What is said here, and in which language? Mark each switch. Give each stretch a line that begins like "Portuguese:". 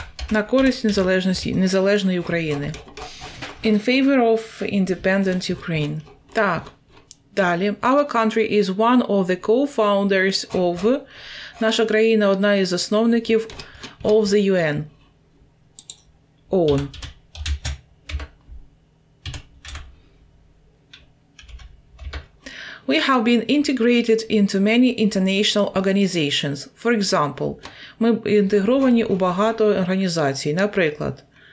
Ukrainian: На користь незалежної України.
English: In favor of independent Ukraine.
Ukrainian: Так. Далі.
English: Our country is one of the co-founders of...
Ukrainian: Наша країна – одна із засновників
English: of the UN.
Ukrainian: ООН.
English: We have been integrated into many international organizations. For example,
Ukrainian: ми інтегровані у багато організацій. Наприклад,